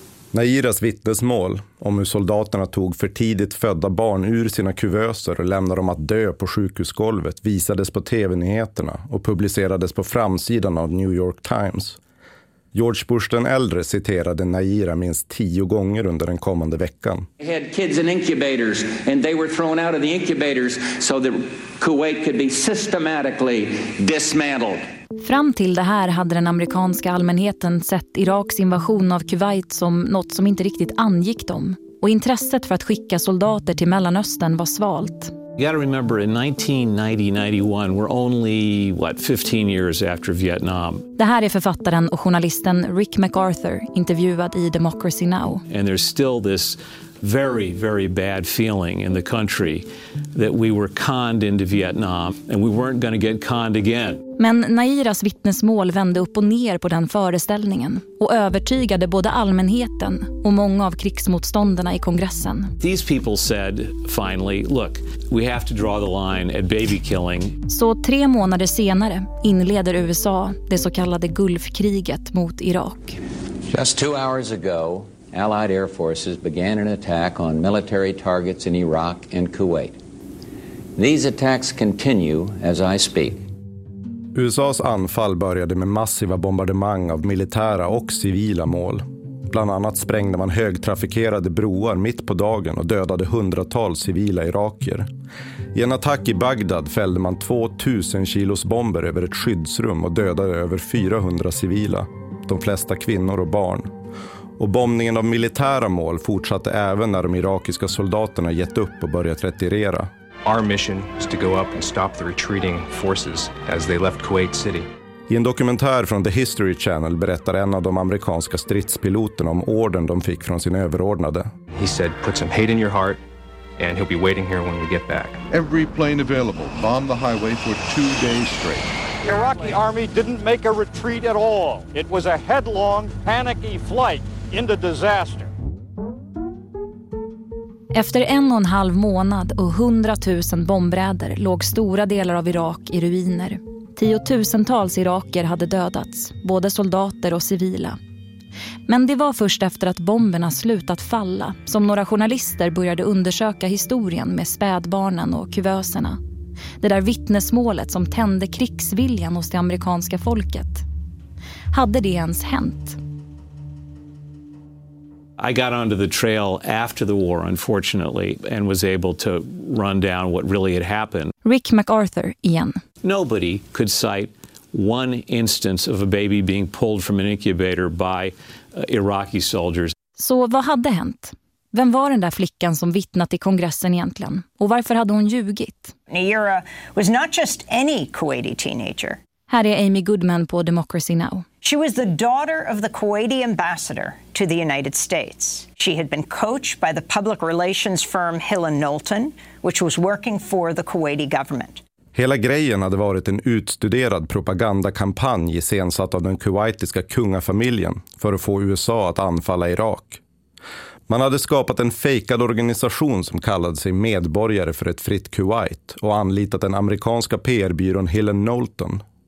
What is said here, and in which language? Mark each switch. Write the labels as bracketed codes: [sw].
[sv] Nairas vittnesmål om hur soldaterna tog för tidigt födda barn ur sina kuvöser och lämnade dem att dö på sjukhusgolvet visades på tv-nyheterna och publicerades på framsidan av New York Times. George Bush den äldre citerade Naira minst 10 gånger under den kommande veckan. [en] They had kids in incubators and they were thrown out of the incubators so that Kuwait could be systematically dismantled. [sv] Fram till det här hade den amerikanska allmänheten sett Iraks invasion av Kuwait som något som inte riktigt angick dem. och intresset för att skicka soldater till Mellanöstern var svalt. [en] You got to remember in 1990-91 we're only what 15 years after Vietnam. [sv] Det här är författaren och journalisten Rick MacArthur intervjuad i Democracy Now. [en] And there's still this very very bad feeling in the country that we were conned into Vietnam and we weren't going to get conned again. [sv] Men Nairas vittnesmål vände upp och ner på den föreställningen och övertygade både allmänheten och många av krigsmotståndarna i kongressen. [en] These people said finally, look, we have to draw the line at baby killing. [sv] Så 3 månader senare inleder USA det så kallade Gulfkriget mot Irak. [en] Just 2 hours ago, Allied Air Forces began an attack on military targets in Iraq and Kuwait. These attacks continue as I speak. [sv] USAs anfall började med massiva bombardemang av militära och civila mål. Bland annat sprängde man högtrafikerade broar mitt på dagen och dödade hundratals civila iraker. I en attack i Bagdad fällde man 2000 kilos bomber över ett skyddsrum och dödade över 400 civila, de flesta kvinnor och barn. Och bombningen av militära mål fortsatte även när de irakiska soldaterna gett upp och börjat retirera. [en] Our mission is to go up and stop the retreating forces as they left Kuwait City. [sv] I en dokumentär från The History Channel berättar en av de amerikanska stridspiloterna om ordern de fick från sin överordnade. [en] He said, put some hate in your heart and he'll be waiting here when we get back. Every plane available, bomb the highway for 2 days straight. The Iraqi army didn't make a retreat at all. It was a headlong, panicky flight into disaster. [sv] Efter 1,5 månad och 100,000 bombräder låg stora delar av Irak i ruiner. Tiotusentals iraker hade dödats, både soldater och civila. Men det var först efter att bomberna slutat falla som några journalister började undersöka historien med spädbarnen och kuvöserna. Det där vittnesmålet som tände krigsviljan hos det amerikanska folket. Hade det ens hänt? [en] I got onto the trail after the war, unfortunately, and was able to run down what really had happened. [sv] Rick MacArthur igen. [en] Nobody could cite one instance of a baby being pulled from an incubator by Iraqi soldiers. [sv] Så vad hade hänt? Vem var den där flickan som vittnat i kongressen egentligen? Och varför hade hon ljugit? [en] Naira was not just any Kuwaiti teenager. [sv] Här är Amy Goodman på Democracy Now. [en] She was the daughter of the Kuwaiti ambassador to the United States. She had been coached by the public relations firm Hill & Knowlton, which was working for the Kuwaiti government. [sv] Hela grejen hade varit en utstuderad propagandakampanj iscensatt av den kuwaitiska kungafamiljen för att få USA att anfalla Irak. Man hade skapat en fejkad organisation som kallade sig Medborgare för ett fritt Kuwait och anlitat den amerikanska PR-byrån Hill & Knowlton.